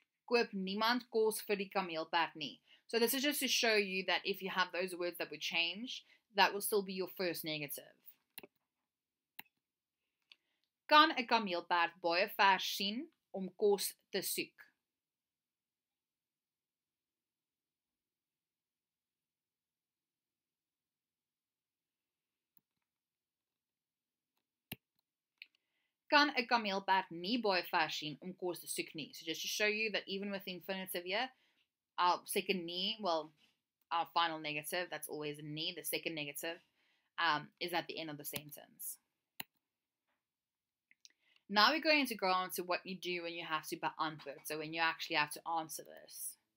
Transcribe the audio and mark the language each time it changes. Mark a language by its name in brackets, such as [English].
[Afrikaans] koop niemand kos vir die kameelperd nie. [English] So this is just to show you that if you have those words that would change, that will still be your first negative. [Afrikaans] Kan 'n kameelperd baie ver sien om kos te soek? Kan 'n kameelperd nie baie ver sien om kos te soek nie? [English] So just to show you that even with the infinitive here, our second nie, well, our final negative, that's always a nie, the second negative, is at the end of the sentence. Now we're going to go on to what you do when you have to beantwoord, so when you actually have to answer this.